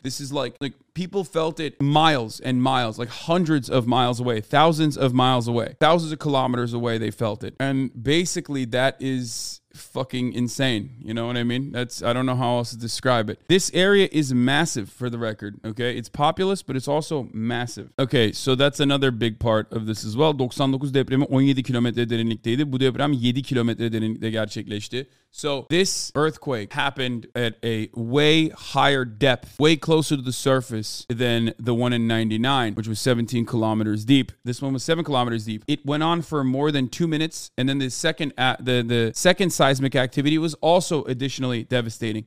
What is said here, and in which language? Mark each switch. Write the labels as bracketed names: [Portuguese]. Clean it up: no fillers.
[English] This is like people felt it miles and miles, like hundreds of miles away, thousands of miles away, thousands of kilometers away, they felt it. And basically that is fucking insane. You know what I mean? That's, I don't know how else to describe it. This area is massive, for the record. Okay. It's populous, but it's also massive. Okay. So that's another big part of this as well. [Turkish] 99 depremi 17 kilometre derinlikteydi. Bu deprem 7 kilometre derinlikte gerçekleşti. [English] So this earthquake happened at a way higher depth, way closer to the surface than the one in 99, which was 17 kilometers deep. This one was 7 kilometers deep. It went on for more than 2 minutes. And then the second seismic activity was also additionally devastating.